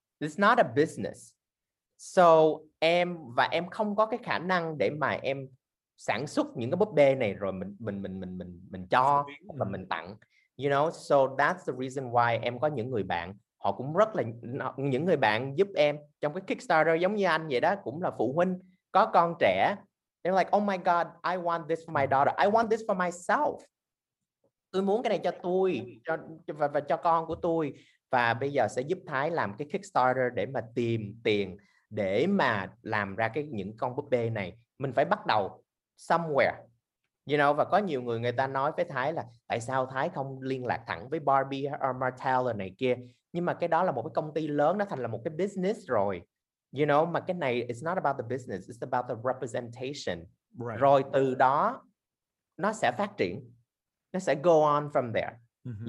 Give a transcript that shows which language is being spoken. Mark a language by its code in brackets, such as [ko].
[en] It's not a business. [vi] So em và em không có cái khả năng để mà em sản xuất những cái búp bê này rồi mình cho và mình tặng. [en] You know, so that's the reason why [vi] em có những người bạn, họ cũng rất là những người bạn giúp em trong cái Kickstarter giống như anh vậy đó, cũng là phụ huynh có con trẻ. [en] They're like, oh my god, I want this for my daughter. I want this for myself. [vi] Tôi muốn cái này cho tôi, và cho con của tôi. Và bây giờ sẽ giúp Thái làm cái Kickstarter để mà tìm tiền để mà làm ra cái những con búp bê này. Mình phải bắt đầu somewhere. [en] You know, [vi] và có nhiều người người ta nói với Thái là tại sao Thái không liên lạc thẳng với Barbie or Mattel này kia. Nhưng mà cái đó là một cái công ty lớn, nó thành là một cái business rồi. [en] You know, [vi] mà cái này [en] it's not about the business, it's about the representation. Right. [vi] Rồi từ đó nó sẽ phát triển, nó sẽ [en] go on from there. [vi] Mm-hmm.